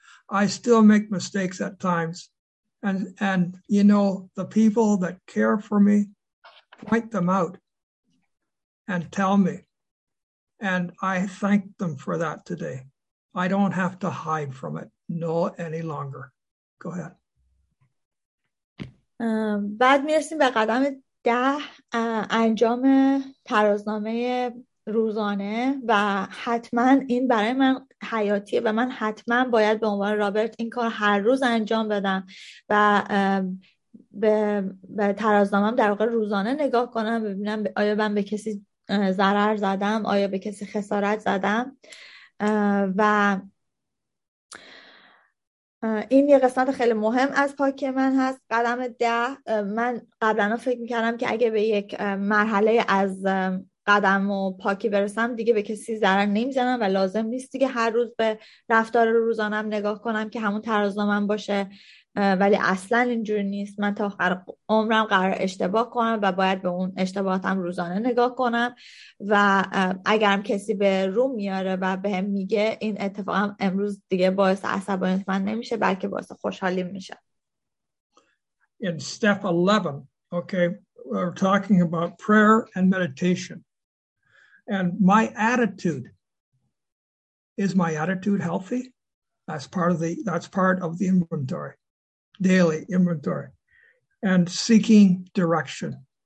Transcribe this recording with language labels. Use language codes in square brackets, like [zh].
[en] I still make mistakes at times. And you know, the people that care for me, point them out. and tell me. And I thank them for that today. I don't have to hide from it, no any longer. Go ahead. [fa] بعد میرسیم به قدم ده انجام ترازنامه روزانه و حتما این برای من حیاتیه و من حتما باید به عنوان رابرت این کار هر روز انجام بدم و به ترازنامه‌ام در واقع روزانه نگاه کنم ببینم آیا من به کسی ضرر زدم آیا به کسی خسارت زدم و این یه قسمت خیلی مهم از پاکی من هست. قدم ده، من قبلا فکر میکردم که اگه به یک مرحله از قدم و پاکی برسم دیگه به کسی ضرر نمیزنم و لازم نیست دیگه هر روز به رفتار روزانم نگاه کنم که همون ترازنامم باشه، ولی اصلا اینجوری نیست. من تا آخر عمرم قرار اشتباه کنم و باید به اون اشتباهاتم روزانه نگاه کنم و اگرم کسی به رو میاره و به هم میگه این اتفاق هم امروز دیگه باعث عصبانیت من نمیشه بلکه باعث خوشحالی میشه. [en] In step 11, okay, we're talking about prayer and meditation. And my attitude, is my attitude healthy? That's part of the inventory. Daily inventory and seeking direction.